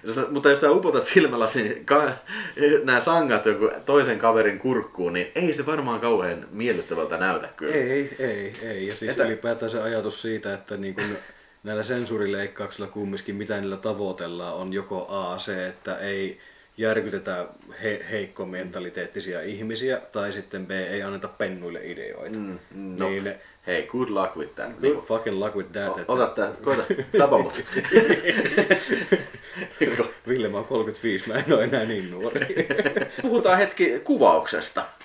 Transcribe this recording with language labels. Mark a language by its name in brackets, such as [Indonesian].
[Finnish] Mutta jos sä upotat silmälasin nämä sangat joku toisen kaverin kurkkuun, niin ei se varmaan kauhean miellyttävältä näytä kyllä. Ei. Ja siis ylipäätään se ajatus siitä, että niin kuin näillä sensuurileikkauksilla kumminkin, mitä niillä tavoitellaan, on joko A, se, että ei järkytetä heikkomentaliteettisia ihmisiä, tai sitten B, ei anneta pennuille ideoita. Niin, hei, [English] good luck with that. Good fucking luck with that. [Finnish] Koita, tapa mut. Ville, mä oon 35, mä en oo enää niin nuori. Puhutaan hetki kuvauksesta.